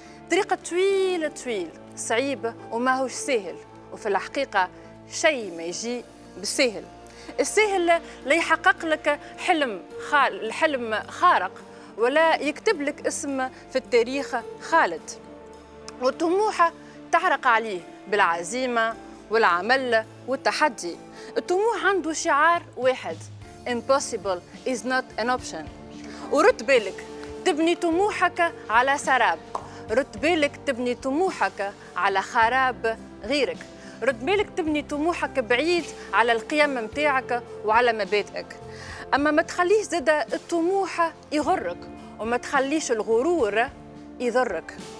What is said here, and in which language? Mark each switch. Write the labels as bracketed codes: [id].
[ar] طريق طويل طويل صعيب وما هوش سهل، وفي الحقيقة شيء ما يجي بسهل. السهل لا يحقق لك حلم الحلم خارق ولا يكتب لك اسم في التاريخ خالد. والطموح تعرق عليه بالعزيمة والعمل والتحدي. الطموح عنده شعار واحد [en] Impossible is not an option. [ar] ورد بالك تبني طموحك على سراب، رد بالك تبني طموحك على خراب غيرك، رد بالك تبني طموحك بعيد على القيم متاعك وعلى مبادئك. أما ما تخليش زادة الطموح يغرك وما تخليش الغرور يضرك.